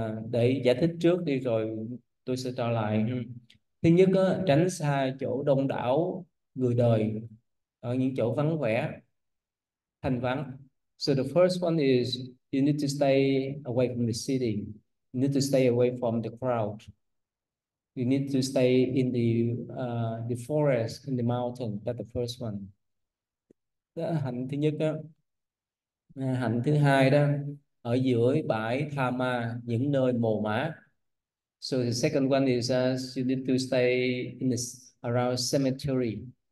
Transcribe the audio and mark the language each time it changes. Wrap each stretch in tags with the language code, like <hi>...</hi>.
<vi>Để giải thích trước đi rồi tôi sẽ trả lại. Thứ nhất đó, tránh xa chỗ đông đảo người đời ở những chỗ vắng vẻ, thanh vắng.</vi> <en>So the first one is you need to stay away from the city. You need to stay away from the crowd. You need to stay in the forest, in the mountain. That's the first one.</en> <vi>Đó, hạnh thứ nhất đó. Hạnh thứ hai đó, ở giữa bãi tha ma, những nơi mồ mả.</vi> <en>So the second one is you need to stay in around cemetery.</en>